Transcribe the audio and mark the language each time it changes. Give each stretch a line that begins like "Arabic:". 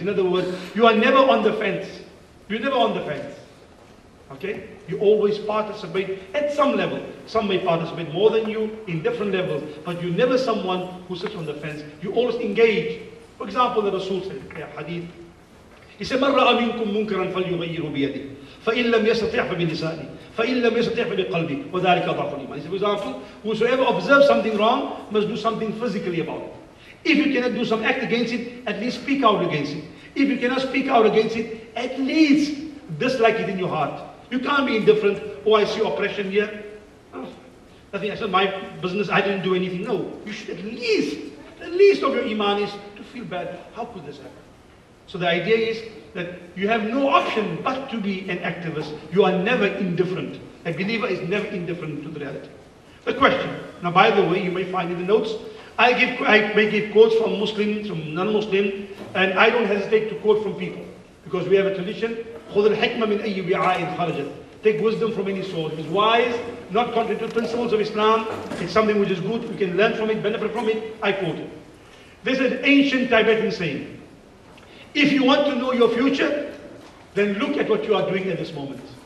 English: In other words, you are never on the fence. You're never on the fence. Okay? You always participate at some level. Some may participate more than you in different levels, but you're never someone who sits on the fence. You always engage. For example, the Rasul said, hadith. He said,
Arabic: مَنْ رَأَ مِنْكُمْ مُنْكَرًا فَلْيُغَيِّرُ بِيَدِهِ فَإِنْ لَمْ يَسْتَطِعْ فَبِلِسَانِهِ فَإِنْ لَمْ يَسْتَطِعْ فَبِقَلْبِهِ وَذَلِكَ ضَعْفُ الْإِيمَانِ.
English: He said, for example, whosoever observes something wrong must do something physically about it. If you cannot do some act against it, at least speak out against it. If you cannot speak out against it, at least dislike it in your heart. You can't be indifferent. Oh, I see oppression here. Oh, I think I said my business, I didn't do anything. No, you should at least of your iman is to feel bad. How could this happen? So the idea is that you have no option but to be an activist. You are never indifferent. A believer is never indifferent to the reality. The question, now by the way, you may find in the notes, I may give quotes from Muslims, from non-Muslim, and I don't hesitate to quote from people. Because we have a tradition,
Arabic: خُذَ الْحِكْمَ مِنْ أَيِّ بِعَائِنْ خَرَجَتْ.
English: Take wisdom from any source. It is wise, not contrary to the principles of Islam. It's something which is good, we can learn from it, benefit from it. I quote it. This is an ancient Tibetan saying. If you want to know your future, then look at what you are doing at this moment.